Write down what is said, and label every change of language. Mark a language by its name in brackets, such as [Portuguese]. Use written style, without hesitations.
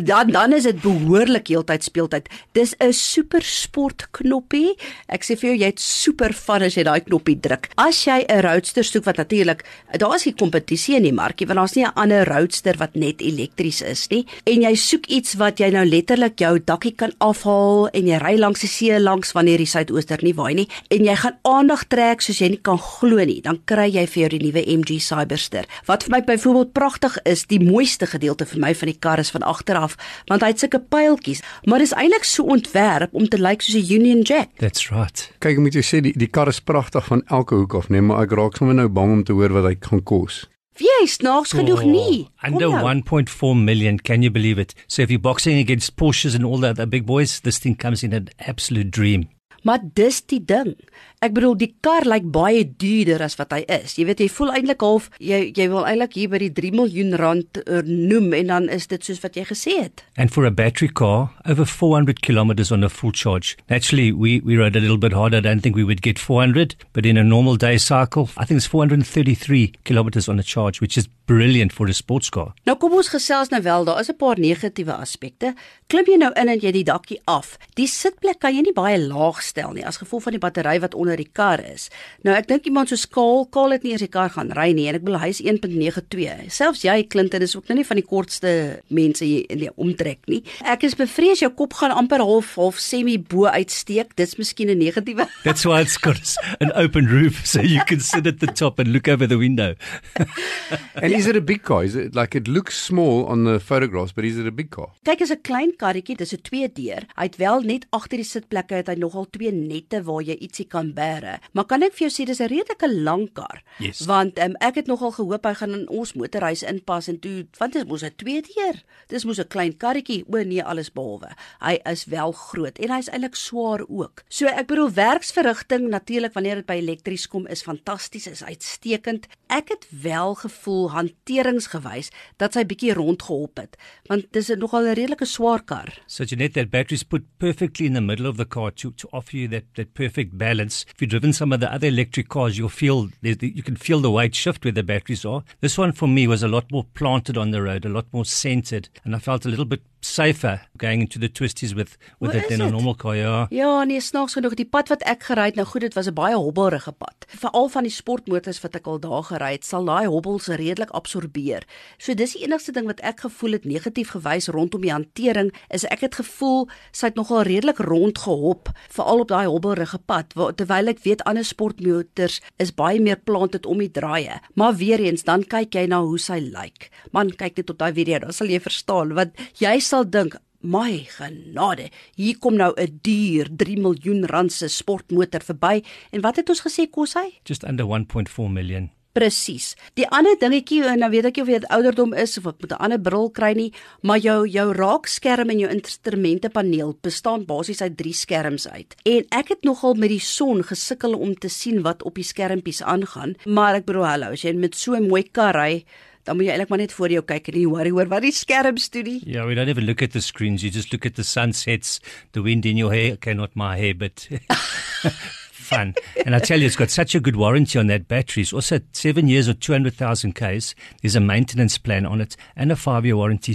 [Afrikaans] Dan is het behoorlik heeltyd speeltyd. Dis 'n super sport knoppie. Ek sê vir jou, jy het super fun as jy die knoppie druk. As jy 'n roadster soek, wat natuurlijk, daar is die competitie in die markie, want daar is nie 'n ander roadster wat net elektrisch is nie. En jy soek iets wat jy nou letterlik jou dakkie kan afhaal en jy ry langs die see langs wanneer die suidooster nie waai nie. En jy gaan aandag trek soos jy nie kan glo nie, dan kry jy vir jou die nuwe MG Cyberster. Wat vir my byvoorbeeld pragtig is, die mooiste gedeelte vir my van die kar is van agteraf, want hy het sulke pyltjies, maar is eintlik so ontwerp om te lyk soos 'n Union Jack. [English] That's right. [Afrikaans] Kyk, ek moet jou sê, die kar is pragtig van elke hoek af, nee, maar ek raak sommer nou bang om te hoor wat hy gaan kos. Wie is naaks genoeg nie? Kom under jou. [English] 1.4 million, can you believe it? So if you're boxing against Porsches and all the other big boys, this thing comes in an absolute dream. [Afrikaans] Maar dis die ding. Ek bedoel, die kar lyk baie duurder as wat hy is. Jy weet, jy voel eintlik half, jy wil eintlik hier by die 3 miljoen rand noem en dan is dit soos wat jy gesê het. [English] And for a battery car, over 400 kilometers on a full charge. Naturally, we rode a little bit harder. I don't think we would get 400, but in a normal day cycle, I think it's 433 kilometers on a charge, which is brilliant for a sports car. [Afrikaans] Nou kom ons gesels nou wel, daar is 'n paar negatiewe aspekte. Klim jy nou in en jy die dakkie af. Die sitplek kan jy nie baie laag stel nie, as gevolg van die battery wat onder onder die kar is. Nou, ek dink iemand soos Kaal het nie eens die kar gaan ry nie, en ek bedoel, hy is 1.92. Selfs jy, Clinton, is ook nou nie van die kortste mense in die omtrek nie. Ek is bevrees, jou kop gaan amper half semi bo uitsteek, dit is miskien 'n negatiewe. [English] That's why it's got an open roof, so you can sit at the top and look over the window. And is it a big car? Is it like, it looks small on the photographs, but is it a big car? [Afrikaans] Kyk, is 'n klein karretjie, dis 'n tweedeur. Hy het wel net agter die sitplekke, het hy nogal twee nette waar jy ietsie kan bære. Maar kan ek vir jou sê, dis 'n redelike lang kar. [English] Yes. [Afrikaans] Want ek het nogal gehoop, hy gaan in ons motorhuis inpas, en toe, want dis moes 'n tweedeur. Dis moes 'n klein karretjie, o nee, alles behalwe. Hy is wel groot, en hy is eintlik swaar ook. So ek bedoel, werksverrigting, natuurlik, wanneer het by elektries kom, is fantasties, is uitstekend. Ek het wel gevoel, hanteringsgewys, dat sy bietjie rondgehop het. Want dis nogal 'n redelike swaar kar. [English] So Jeanette, that battery's put perfectly in the middle of the car to offer you that perfect balance. If you've driven some of the other electric cars, you'll feel, you can feel the weight shift where the batteries are. This one for me was a lot more planted on the road, a lot more centered, and I felt a little bit safer going into the twisties with it than a normal car. [Afrikaans] Ja, nee, snaaks genoeg, die pad wat ek gery het, nou goed, dit was 'n baie hobbelige pad. Veral van die sportmotors wat ek al daar gery het, sal daai hobbels redelik absorbeer. So dis die enigste ding wat ek gevoel het negatief gewys rondom die hantering, is ek het gevoel sy het nogal redelik rond gehop, veral op daai hobbelige pad, terwyl ek weet ander sportmotors is baie meer planted om die draaie. Maar weer eens, dan kyk jy na hoe sy lyk. Like. Man, kyk net op daai video, dan sal jy verstaan, want jy sal dink, my genade, hier kom nou 'n duur 3 miljoen rand se sportmotor verby, en wat het ons gesê kos hy? Just under 1.4 million. Presies. Die ander dingetjie, en dan weet ek jy of jy het ouderdom is, of ek moet 'n ander bril kry nie, maar jou raakskerm en jou instrumentepaneel bestaan basies uit 3 skerms uit. En ek het nogal met die son gesukkel om te sien wat op die skermpies aangaan, maar ek bedoel, hallo, as jy met so 'n mooi kar ry, dan moet jy eintlik maar net voor jou kyk en nie worry oor wat die skermstudie. [English] Yeah, we don't even look at the screens. You just look at the sunsets, the wind in your hair. Okay, not my hair, but fun. And I tell you, it's got such a good warranty on that battery. It's also 7 years or 200,000 Ks. There's a maintenance plan on it and a 5-year warranty.